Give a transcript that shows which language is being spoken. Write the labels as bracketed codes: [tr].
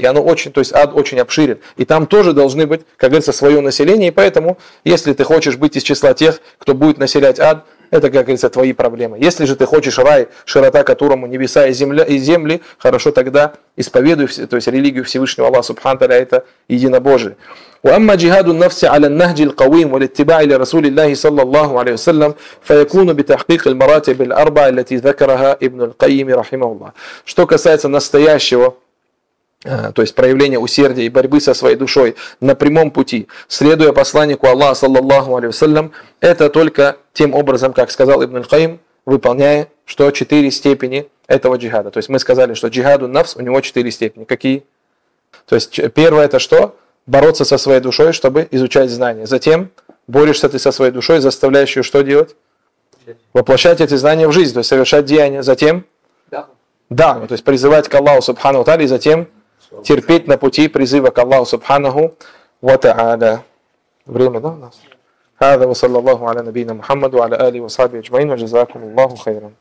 [ru] И оно очень, то есть ад очень обширен. И там тоже должны быть, как говорится, свое население. И поэтому, если ты хочешь быть из числа тех, кто будет населять ад, это, как говорится, твои проблемы. Если же ты хочешь рай, широта которому небеса и земля, и земли, хорошо, тогда исповедуй, то есть религию Всевышнего Аллаха, субхан таля, это единобожие. [ar] وأما جهاد النفس على النهج القويم والاتباع لرسول الله صلى الله عليه وسلم فيكون بتحقيق المراتب الأربعة التي ذكرها ابن القيم رحمه الله. [ru] Что касается настоящего, то есть проявления усердия и борьбы со своей душой на прямом пути, следуя посланнику Аллаха саллаллаху алейхи ва саллям, это только тем образом, как сказал Ибн аль-Каим, выполняя что четыре степени этого джихада. То есть мы сказали, что джихаду нафс, у него четыре степени. Какие? То есть первое это что? Бороться со своей душой, чтобы изучать знания. Затем борешься ты со своей душой, заставляющую что делать? Воплощать эти знания в жизнь, то есть совершать деяния. Затем? Да. Да, то есть призывать к Аллаху субхану ва тааля, затем терпеть на пути призыва к Аллаху субханаху ва тааля. Время, да, у нас? [ar] هذا وصلى الله على نبينا محمد وعلى آله وصحبه أجمعين وجزاكم الله خيرا.